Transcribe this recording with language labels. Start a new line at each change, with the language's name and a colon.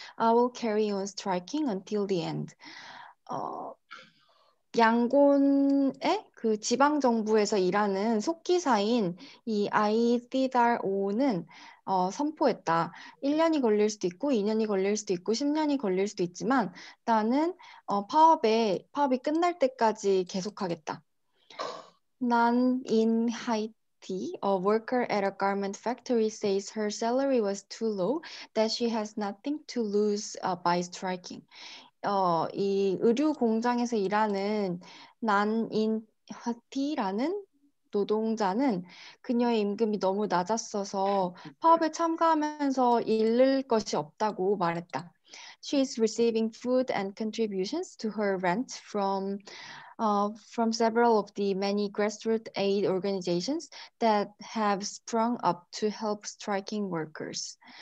English: I will carry on striking until the end.
Korean: 양곤의 그 지방 정부에서 일하는 속기사인 이 아이디달오는 선포했다. 1년이 걸릴 수도 있고 2년이 걸릴 수도 있고 10년이 걸릴 수도 있지만 나는 파업이 끝날 때까지 계속하겠다.
English: 난 인 하이티, a worker at a garment factory says her salary was too low that she has nothing to lose by striking.
Korean: 이 의류 공장에서 일하는 난인 하티라는 노동자는 그녀의 임금이 너무 낮았어서 파업에 참가하면서 잃을 것이 없다고 말했다.
English: She is receiving food and contributions to her rent from several of the many grassroots aid organizations that have sprung up to help striking workers.